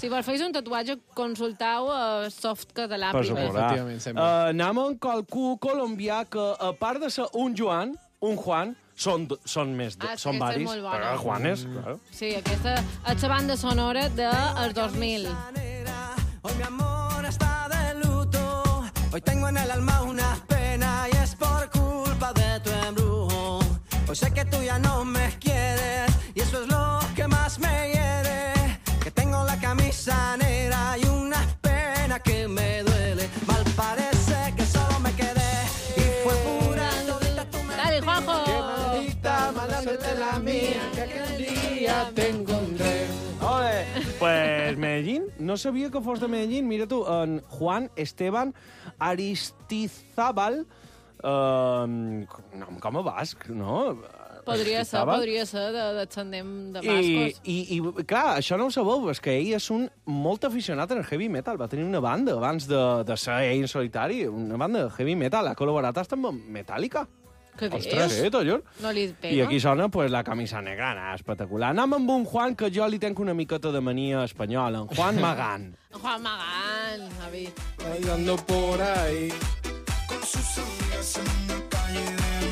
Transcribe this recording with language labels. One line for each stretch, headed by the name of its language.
Catalan: Si vols fer un tatuatge, consultau a Soft Català. Per suposar. Anem amb qualcú colombià que, a part de ser un Joan, un Juan, són més... Són varis. Però Juan és, clar. Sí, aquesta és la banda sonora del 2000.
Spanish: Hoy mi amor está de luto. Hoy tengo en el alma una pena y es por culpa de tu embrujo. Hoy sé que tú ya no me quieres y eso es lo me hiere, que tengo la camisa negra y una pena que me duele. Mal parece que solo me quedé y fue pura todita tu mentira. ¡Dale, Juanjo! ¡Qué maldita mala suerte la mía, que aquel día te encontré! ¡Ole! Pues Medellín, no sabía que fos de Medellín. Mira tú, en Juan Esteban Aristizábal, ¿cómo vas? ¿No?
Catalan: Podria ser d'ascendent de bascos. I, clar, això no ho sabeu, és que ell és un molt aficionat al heavy metal. Va tenir una banda abans de ser ell en solitari, una banda de heavy metal. Ha col·laborat fins amb Metallica. Que ostres, dius? Tot, no li pega. I aquí sona pues, la camisa negra, no? Espectacular. Anem amb un Juan, que jo li tenc una miqueta de mania espanyola. En Juan Magán. Juan Magán, Javi.
Spanish: Bailando por ahí con sus amigas en la calle de